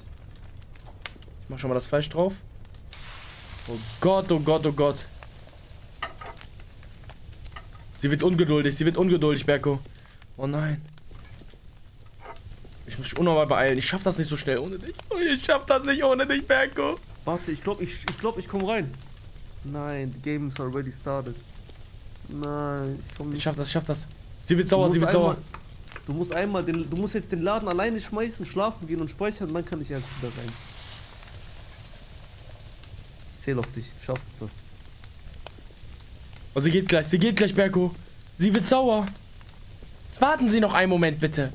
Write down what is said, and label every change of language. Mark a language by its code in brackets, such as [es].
[de] Ich mach schon mal das Fleisch drauf. Oh Gott, oh Gott, oh Gott. Sie wird ungeduldig, Berko. Oh nein. Ich muss mich unnormal beeilen. Ich schaff das nicht so schnell ohne dich. Ich schaff das nicht ohne dich, Berko. Warte, ich glaub, ich komm rein. Nein, [en] the game is already started. [de] Nein, ich komm nicht. Ich schaff das. Sie wird sauer. Du musst jetzt den Laden alleine schmeißen, schlafen gehen und speichern, dann kann ich erst wieder rein. Ich zähl auf dich, schaff das. Oh, sie geht gleich, Berko. Sie wird sauer. Warten Sie noch einen Moment, bitte.